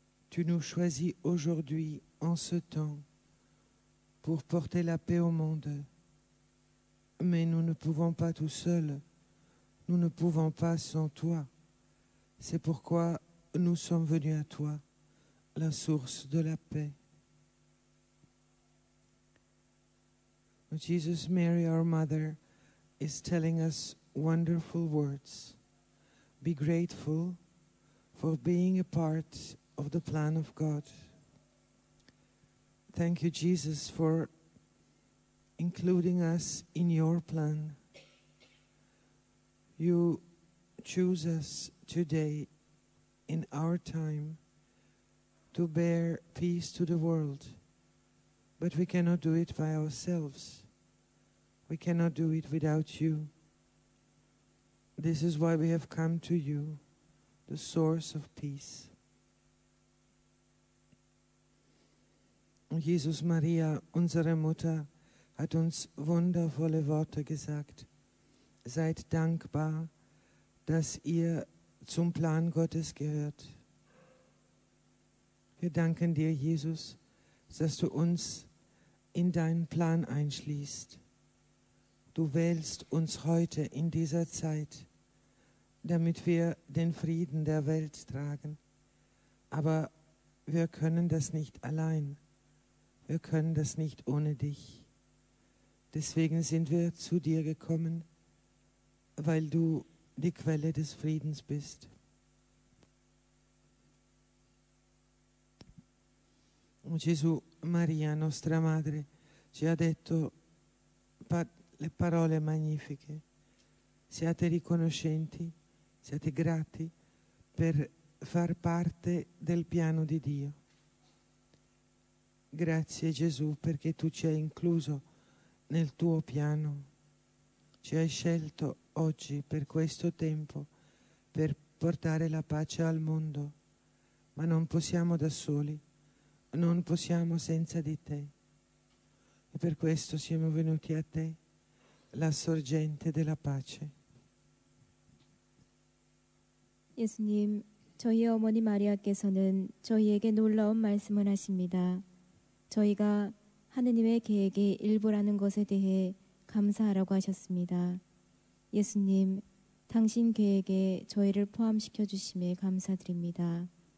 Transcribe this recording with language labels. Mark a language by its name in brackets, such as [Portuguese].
[French] Tu nous choisis aujourd'hui, en ce temps, pour porter la paix au monde. Mais nous ne pouvons pas tout seuls. Nous ne pouvons pas sans toi. C'est pourquoi nous sommes venus à toi, la source de la paix. [English] Jesus, Mary, our mother, is telling us wonderful words. Be grateful for being a part of the plan of God. Thank you, Jesus, for including us in your plan. You choose us today in our time to bear peace to the world, but we cannot do it by ourselves. We cannot do it without you. This is why we have come to you, the source of peace. [German] Jesus Maria, unsere Mutter, hat uns wundervolle Worte gesagt. Seid dankbar, dass ihr zum Plan Gottes gehört. Wir danken dir, Jesus, dass du uns in deinen Plan einschließt. Du wählst uns heute in dieser Zeit, damit wir den Frieden der Welt tragen. Aber wir können das nicht allein. Wir können das nicht ohne dich. Deswegen sind wir zu dir gekommen, weil du die Quelle des Friedens bist. [Italian] Gesù, Maria, nostra madre, ci ha detto le parole magnifiche. Siate riconoscenti, siate grati per far parte del piano di Dio. Grazie Gesù perché tu ci hai incluso nel tuo piano. Ci hai scelto oggi per questo tempo per portare la pace al mondo, ma non possiamo da soli, non possiamo senza di te. E per questo siamo venuti a te, la sorgente della pace. [Korean] 예수님, 저희 어머니 마리아께서는 저희에게 놀라운 말씀을 하십니다. 저희가 하느님의 계획의 일부라는 것에 대해 감사하라고 하셨습니다. 예수님, 당신 계획에 저희를 포함시켜 주심에 감사드립니다.